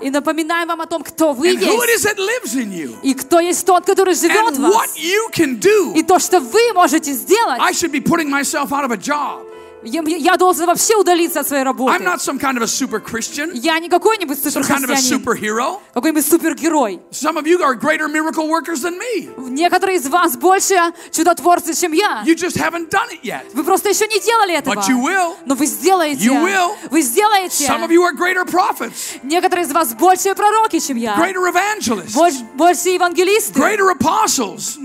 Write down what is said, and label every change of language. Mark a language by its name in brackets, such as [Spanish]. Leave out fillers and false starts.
[Russian] И напоминаем вам о том, кто вы [English] and [Russian] есть. [English] Who it is that lives in you. [Russian] И кто есть тот, который живет [English] and [Russian] в вас. [English] What you can do. [Russian] И то, что вы можете сделать. [English] I should be putting myself out of a job. [Russian] Я должен вообще удалиться от своей работы. [English] I'm not some kind of a super Christian. [Russian] Я не какой-нибудь суперхристианин. [English] Some kind of a superhero. [Russian] Какой-нибудь супергерой. [English] Some of you are greater miracle workers than me. [Russian] Некоторые из вас больше чудотворцы, чем я. [English] You just haven't done it yet. [Russian] Вы просто еще не делали этого. [English] But you will. [Russian] Но вы сделаете. [English] You will. [Russian] Вы сделаете. [English] Some of you are greater prophets. [Russian] Некоторые из вас больше пророки, чем я. [English] Greater evangelists. [Russian] Больше евангелисты. [English] Greater apostles.